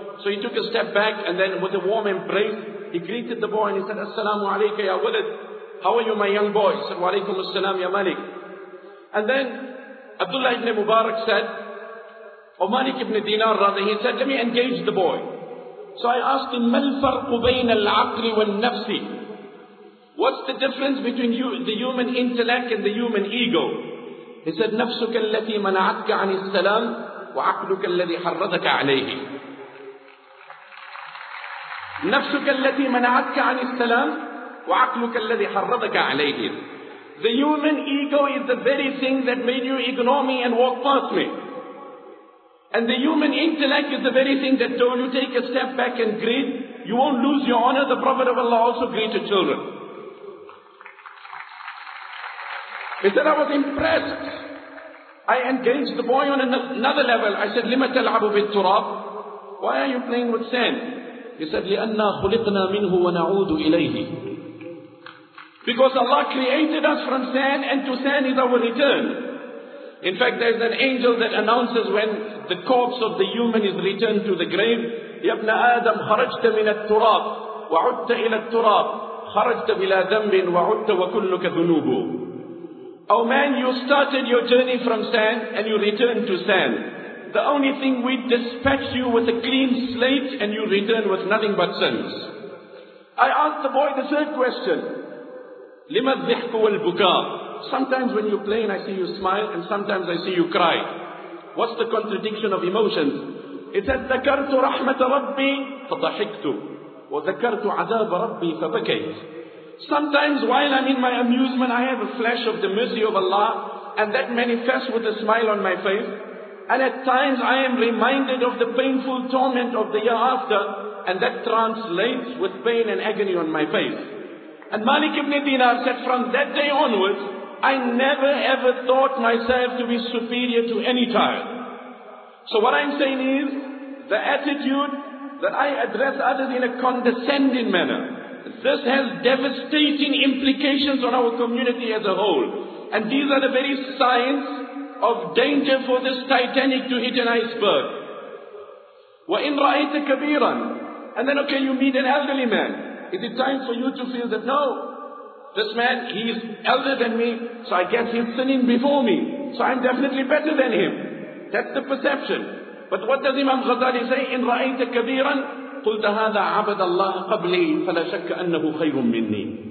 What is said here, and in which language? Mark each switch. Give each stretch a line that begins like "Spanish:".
English: So he took a step back and then with a warm embrace he greeted the boy and he said,
Arabic: أَسَّلَامُ عَلَيْكَ يَا وَلَدْ.
English: How are you, my young boy? Said, wa alaykum as-salam, ya Malik. And then Abdullah ibn Mubarak said, or Malik ibn Dinar rather, he said, let me engage the boy. So I asked him,
Arabic: مَا الْفَرْقُ بَيْنَ الْعَقْلِ وَالنَّفْسِ.
English: What's the difference between you, the human intellect and the human ego? He said,
Arabic: نَفْسُكَ الَّتِي مَنَعَتْكَ عَنِ السَّلَامِ وَعَقْلُكَ الَّذِي حَرَّدَكَ عَلَيْهِ. نَفْسُكَ الَّتِي مَنَعَتْكَ عَنِ السَّلَامِ وَعَقْلُكَ الَّذِي حَرَّضَكَ عَلَيْهِمْ.
English: The human ego is the very thing that made you ignore me and walk past me. And the human intellect is the very thing that told you take a step back and greet. You won't lose your honor. The Prophet of Allah also greeted children. He said, I was impressed. I engaged the boy on another level. I said,
Arabic: لِمَ تَلْعَبُ بِالْتُرَابِ?
English: Why are you playing with sand? He said,
Arabic: لِأَنَّا خُلِقْنَا مِنْهُ وَنَعُودُ إِلَيْهِ.
English: Because Allah created us from sand, and to sand is our return. In fact, there is an angel that announces when the corpse of the human is returned to the grave.
Arabic: يَبْنَ آدَمْ خَرَجْتَ مِنَ التُرَابِ وَعُدْتَ إِلَى التُرَابِ خَرَجْتَ بِلَا ذَنْبٍ وَعُدْتَ وَكُلُّكَ ذُنُوبُ.
English: Oh man, you started your journey from sand and you returned to sand. The only thing, we dispatch you with a clean slate and you return with nothing but sins. I asked the boy the third question.
Arabic: لِمَ الضِّحْكُ وَالْبُكَى?
English: Sometimes when you play and I see you smile, and sometimes I see you cry. What's the contradiction of emotions? He said,
Arabic: ذَكَرْتُ رَحْمَةَ رَبِّي فَضَحِكْتُ وَذَكَرْتُ عَذَابَ رَبِّي فَبَكَيْتُ.
English: Sometimes while I'm in my amusement, I have a flash of the mercy of Allah, and that manifests with a smile on my face. And at times I am reminded of the painful torment of the year after, and that translates with pain and agony on my face. And Malik ibn Dinar said, from that day onwards, I never ever thought myself to be superior to any child. So what I'm saying is, the attitude that I address others in a condescending manner, this has devastating implications on our community as a whole. And these are the very signs of danger for this Titanic to hit an iceberg.
Arabic: وَإِنْ رَأَيْتَ كَبِيرًا.
English: And then, okay, you meet an elderly man. Is it time for you to feel that, no, this man, he is elder than me, so I guess he's sinning before me, so I'm definitely better than him. That's the perception. But what does Imam Ghazali say?
Arabic: إِنْ رَأَيْتَ كَبِيرًا قلت هذا عبد الله قبلي فلا شك أنه خير مني.